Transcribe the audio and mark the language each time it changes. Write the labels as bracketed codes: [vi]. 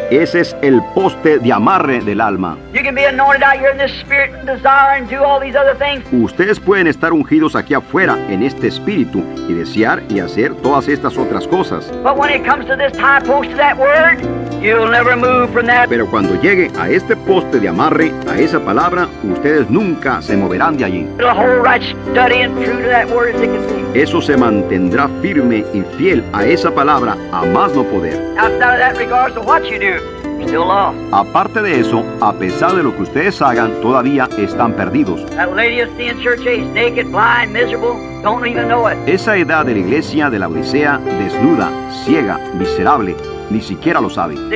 [es] Ese es el poste de amarre del alma. [en] You can be anointed out here in this spirit and desire and do all these other things. [es] Ustedes pueden estar ungidos aquí afuera en este espíritu y desear y hacer todas estas otras cosas. [en] But when it comes to this tie post of that word, you'll never move from that. [es] Pero cuando llegue a este poste de amarre, a esa palabra, ustedes nunca se moverán de allí. [en] It'll hold right steady and true to that word as it can be. [es] Eso se mantendrá firme y fiel a esa palabra a más no poder. [en] Outside of that, regardless of what you do, you're still lost. [es] Aparte de eso, a pesar de lo que ustedes hagan, todavía están perdidos. [en] That lady you see in church age, naked, blind, miserable, don't even know it. [es] Esa edad de la iglesia de la Odisea, desnuda, ciega, miserable, ni siquiera lo sabe.